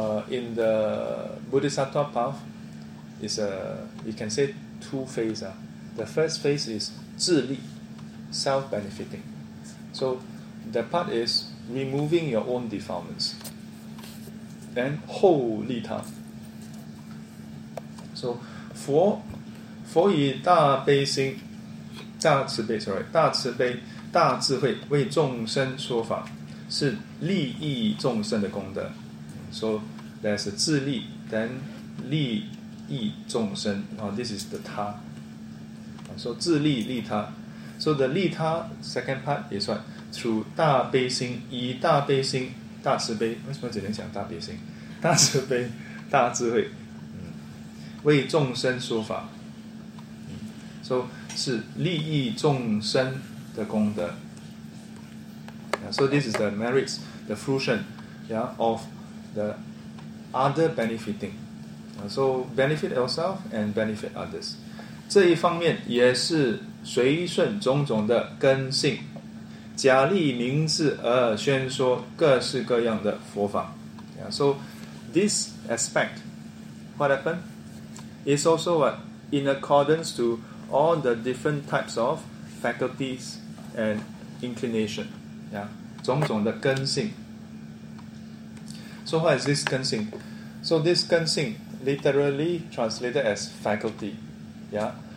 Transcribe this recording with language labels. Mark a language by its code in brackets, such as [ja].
[en] In the Bodhisattva path, you can say two phases. The first phase is 自利, self-benefiting. So the part is removing your own defilements. [zh] Then 后利他. So 佛以大慈悲大智慧为众生说法是利益众生的功德. [en] So there's a 自利, then [zh] 利益众生. [en] This is the 他.So [zh] 自利利他. [en] So the 利他 second part is what? [zh] Through 大悲心, 以大悲心 大慈悲. 为什么只能讲大悲心? 大慈悲大智慧. 为众生说法，所以是利益众生的功德。 [en] So this is the merits, the fruition, yeah, of the other benefiting. So benefit yourself and benefit others. [zh] 这一方面也是随顺种种的根性，假立名字而宣说各式各样的佛法。 [en] Yeah, so this aspect, what happened? It's also what, in accordance to all the different types of faculties and inclination. [zh] Yeah. 种种的根性。 [en] So what is this 根性? So this 根性 literally translated as faculty. Yeah.